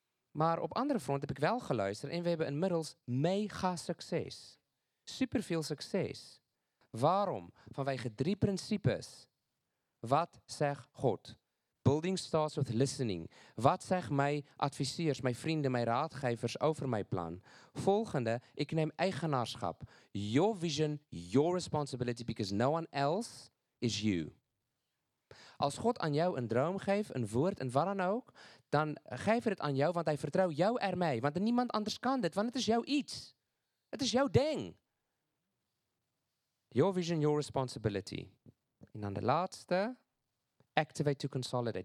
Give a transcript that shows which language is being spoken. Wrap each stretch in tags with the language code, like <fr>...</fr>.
<nl>Maar op andere front heb ik wel geluisterd en we hebben inmiddels mega succes. Superveel succes. Waarom? Vanwege 3 principes.</nl> <en>Wat zegt God? Building starts with listening.</en> <nl>Wat zeg mijn adviseurs, mijn vrienden, mijn raadgevers over mijn plan? Volgende, ik neem eigenaarschap.</nl> <en>Your vision, your responsibility, because no one else is you.</en> <nl>Als God aan jou een droom geeft, een woord, en wat dan ook, dan geef het aan jou, want hij vertrouwt jou ermee. Want niemand anders kan dit, want het is jouw iets. Het is jouw ding.</nl> <en>Your vision, your responsibility. En dan de laatste, activate to consolidate.</en>